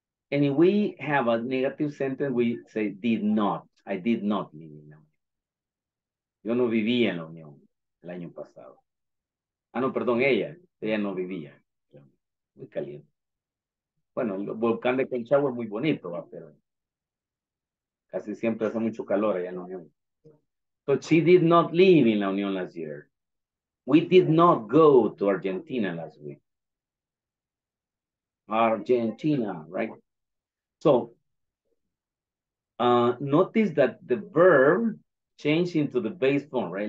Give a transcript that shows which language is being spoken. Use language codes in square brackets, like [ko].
[en] And if we have a negative sentence, we say did not. I did not mean it. [es] Yo no vivía en la Unión el año pasado. Ah, no, perdón, ella no vivía. Muy caliente. Bueno, el volcán de Colchagua es muy bonito, ¿va? Pero casi siempre hace mucho calor allá en la Unión. [en] So she did not live in la Unión last year. We did not go to Argentina last week. Argentina, right? So, notice that the verb change into the base form, right?